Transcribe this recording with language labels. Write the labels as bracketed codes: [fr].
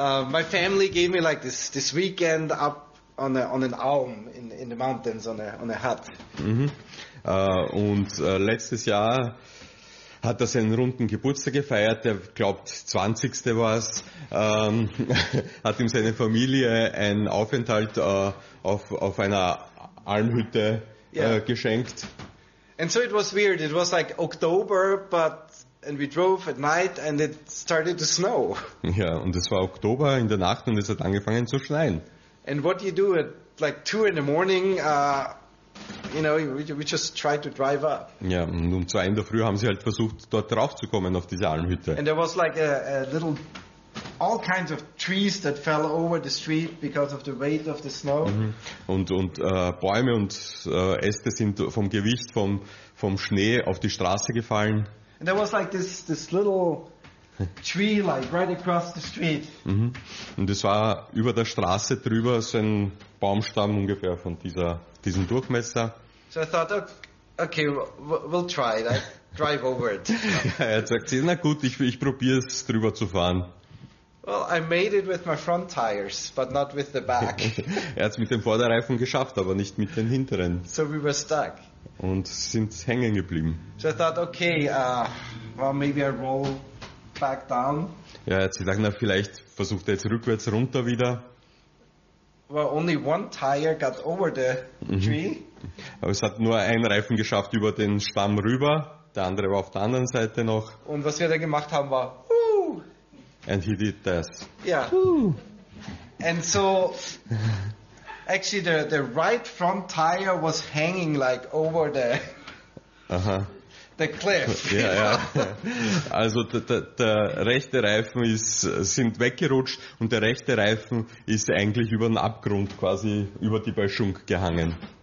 [en] My family gave me like this weekend up on an Alm in the mountains on a hut. Mm-hmm. [de] Letztes Jahr hat er seinen runden Geburtstag gefeiert, er glaubt 20. war es, hat ihm seine Familie einen Aufenthalt auf einer Almhütte geschenkt. [en] And so it was weird. It was like October, and we drove at night and it started to snow. [de] Ja, und es war Oktober in der Nacht und es hat angefangen zu schneien. [en] And what do you do at like 2 in the morning you know, we just tried to drive up. [de] Ja, und um 2 in der Früh haben sie halt versucht, dort draufzukommen auf diese Almhütte. [en] And there was like a little, all kinds of trees that fell over the street because of the weight of the snow. Mhm. [de] Und Bäume und Äste sind vom Gewicht vom Schnee auf die Straße gefallen. [en] And there was like this little tree, like right across the street. Mhm. [de] Und es war über der Straße drüber so ein Baumstamm ungefähr von diesem Durchmesser. [en] So I thought, okay, we'll try it. I drive over it. [de] Ja, er sagt, na gut, ich probiere es drüber zu fahren. [en] Well, I made it with my front tires, but not with the back. [de] Er hat es mit dem Vorderreifen geschafft, aber nicht mit den hinteren. [en] So we were stuck. [de] Und sind hängen geblieben. [en] So I thought, okay, well, maybe I roll back down. [de] Ja, jetzt gedacht, na, vielleicht versucht er jetzt rückwärts runter wieder. [en] Well, only one tire got over the tree. [de] Aber es hat nur ein Reifen geschafft über den Stamm rüber. Der andere war auf der anderen Seite noch. Und was wir dann gemacht haben war, [en] and he did this. Yeah. And so, actually, the right front tire was hanging like over the the cliff. Yeah, yeah. [de] Also der rechte Reifen sind weggerutscht und der rechte Reifen ist eigentlich über den Abgrund quasi über die Böschung gehangen.